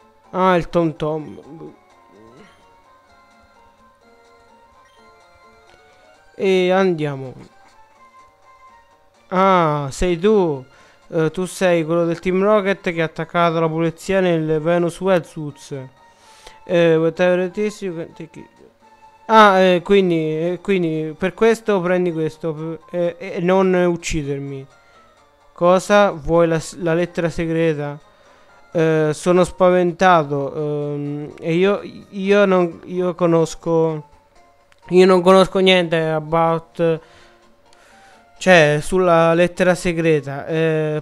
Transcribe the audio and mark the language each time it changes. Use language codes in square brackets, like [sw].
[it] Ah, il Tom Tom. E andiamo. Ah, sei tu. Tu sei quello del Team Rocket che ha attaccato la polizia nel Venus Wetsuits. [en] Whatever it is, you can take it. [it] Ah, quindi per questo prendi questo e non uccidermi. Cosa? Vuoi la lettera segreta? Sono spaventato. E io non conosco niente about, cioè, sulla lettera segreta.